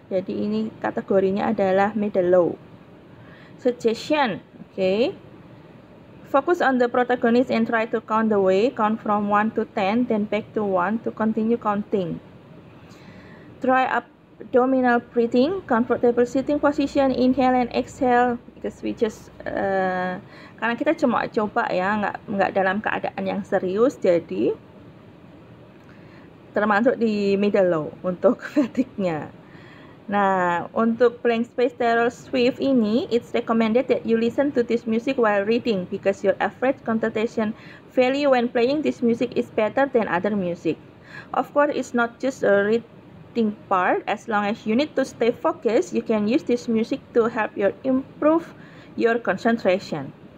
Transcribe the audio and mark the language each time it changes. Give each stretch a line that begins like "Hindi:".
Indonesian: Jadi ini kategorinya adalah middle low.
English: Suggestion, okay. Focus on the protagonist and try to count the way. Count from 1 to 10, then back to 1 to continue counting. Try abdominal breathing, comfortable sitting position, inhale and exhale. Because we just
Indonesian: karena kita cuma coba ya, nggak dalam keadaan yang serius, jadi termasuk di middle low untuk fatigue-nya. Nah, untuk playing space Taylor Swift ini,
English: it's recommended that you listen to this music while reading because your average concentration value when playing this music is better than other music. Of course, it's not just a reading part. As long as you need to stay focused, you can use this music to help you improve your concentration.